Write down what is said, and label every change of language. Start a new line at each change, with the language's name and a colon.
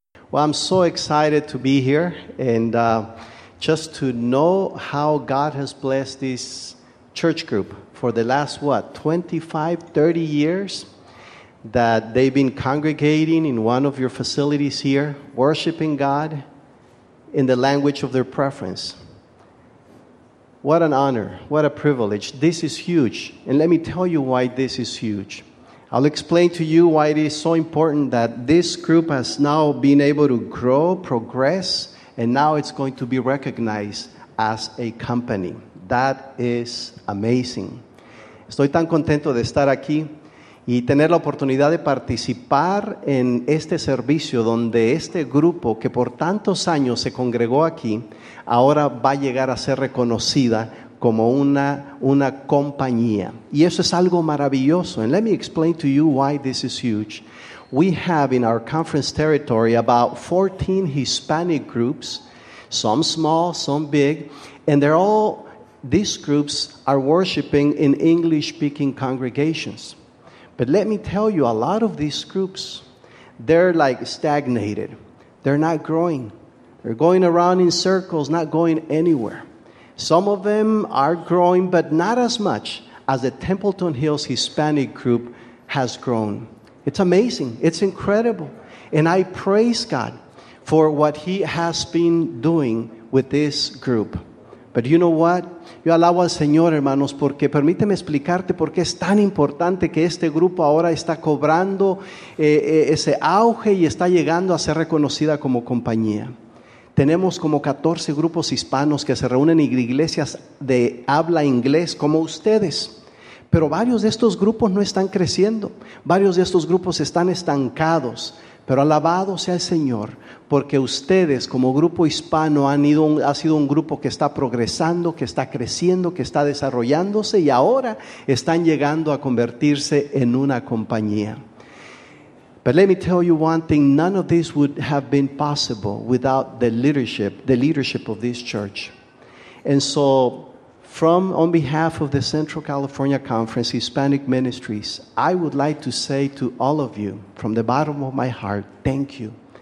English: Well, I'm so excited to be here and just to know how God has blessed this church group for the last, 25, 30 years that they've been congregating in one of your facilities here, worshiping God in the language of their preference. What an honor. What a privilege. This is huge. And let me tell you why this is huge. I'll explain to you why it is so important that this group has now been able to grow, progress, and now it's going to be recognized as a company. That is amazing.
Spanish: Estoy tan contento de estar aquí y tener la oportunidad de participar en este servicio donde este grupo que por tantos años se congregó aquí ahora va a llegar a ser reconocida como una compañía. Y eso es algo maravilloso.
English: And let me explain to you why this is huge. We have in our conference territory about 14 Hispanic groups, some small, some big, and they're all, these groups are worshiping in English-speaking congregations. But let me tell you, a lot of these groups, they're like stagnated. They're not growing. They're going around in circles, not going anywhere. Some of them are growing, but not as much as the Templeton Hills Hispanic group has grown. It's amazing. It's incredible. And I praise God for what He has been doing with this group. But you know what?
Spanish: Yo alabo al Señor, hermanos, porque permíteme explicarte por qué es tan importante que este grupo ahora está cobrando ese auge y está llegando a ser reconocida como compañía. Tenemos como 14 grupos hispanos que se reúnen en iglesias de habla inglés como ustedes. Pero varios de estos grupos no están creciendo. Varios de estos grupos están estancados. Pero alabado sea el Señor, porque ustedes como grupo hispano ha sido un grupo que está progresando, que está creciendo, que está desarrollándose y ahora están llegando a convertirse en una compañía.
English: But let me tell you one thing, none of this would have been possible without the leadership of this church. And so, on behalf of the Central California Conference Hispanic Ministries, I would like to say to all of you, from the bottom of my heart, thank you.